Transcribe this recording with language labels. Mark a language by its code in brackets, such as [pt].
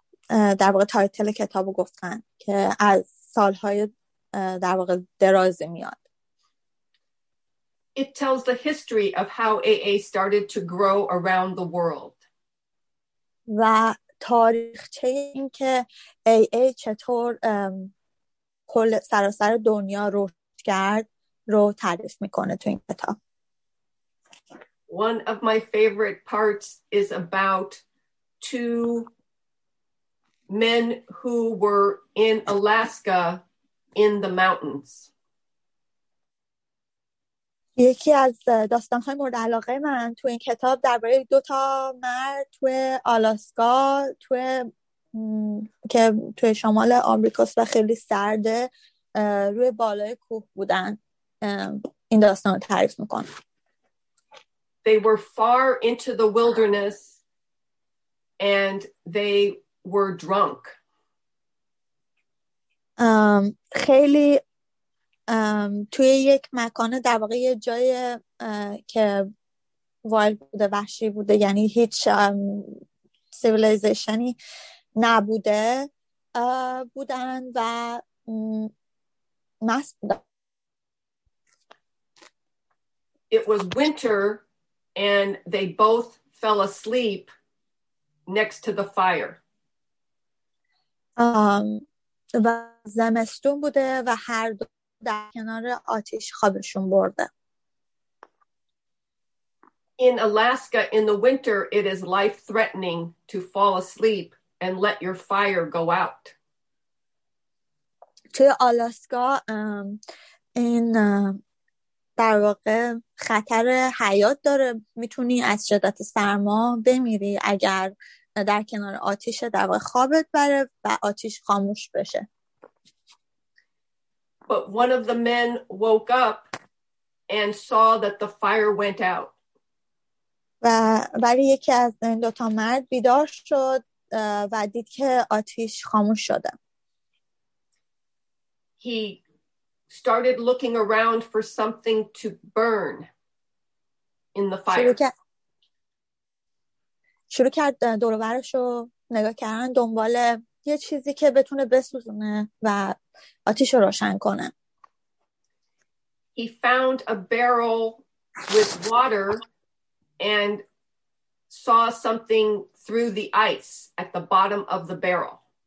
[fa] در واقع تایتل کتابو گفتن که از سالهای در واقع درازی میاد. [en] It tells the history of how AA started to grow around the world. [fa] و تاریخچه این که AA چطور کل سراسر دنیا رشد کرد رو تعریف میکنه تو این کتاب. [en] One of my favorite parts is about two men who were in Alaska in the mountains. [fa] یکی از داستان‌های مورد علاقه من تو این کتاب درباره دو تا مرد تو آلاسکا تو که تو شمال آمریکاست و خیلی سرده روی بالای کوه بودن. این داستان رو تعریف می‌کنم. [en] They were far into the wilderness and they were drunk. [fa] خیلی توی یک مکان در واقع یه جای که وایلد بوده، وحشی بوده، یعنی هیچ سیویلیزیشنی نبوده بودن و مست بودن. [en] It was winter and they both fell asleep next to the fire. [fa] و زمستون بوده و هر دو در کنار آتش خوابشون برده. [en] In Alaska in the winter it is life threatening to fall asleep and let your fire go out. [fa] توی آلاسکا این در واقع خطر حیات داره، میتونی از شدت سرما بمیری اگر در کنار آتیش در واقع خوابت بره و آتیش خاموش بشه. [en] But one of the men woke up and saw that the fire went out. [fa] و ولی یکی از این دوتا مرد بیدار شد و دید که آتیش خاموش شده. [en] He started looking around for something to burn in the fire. [fa] شروع کرد دور و برش رو نگاه کردن دنبال یه چیزی که بتونه بسوزونه و آتیش رو روشن کنه. [en] He found a barrel with water and saw something through the ice at the bottom of the barrel.